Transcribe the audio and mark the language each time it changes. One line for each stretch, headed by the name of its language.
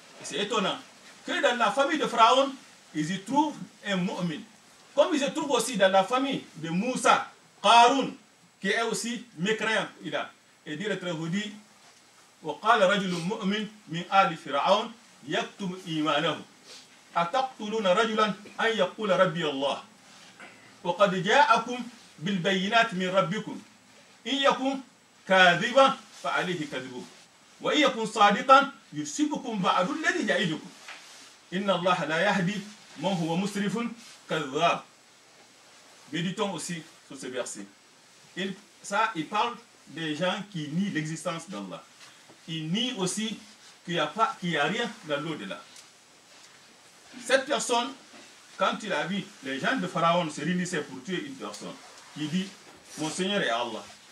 French: C'est étonnant que dans la famille de Pharaon, ils y trouvent un Mu'min. Comme ils y trouvent aussi dans la famille de Moussa, Qaroun, qui est aussi mécréant, il a. Et directeur vous dit,
Arabic: وقال رجل مؤمن من آل فرعون يكتم إيمانه أتقتلون رجلا أن يقول ربي الله وقد جاءكم بالبينات من ربكم إن يكن كاذبا فعليه كذبه وإن يكن صادقا يصيبكم بعض الذي يعدكم إن الله لا يهدي من هو مسرف كذاب بديتون
French: aussi sur ce verset. Il parle des gens qui nient l'existence d'Allah. Il nie aussi qu'il n'y a rien dans l'au-delà. Cette personne, quand il a vu les gens de Pharaon se réunissaient pour tuer une personne, qui dit, mon Seigneur est Allah.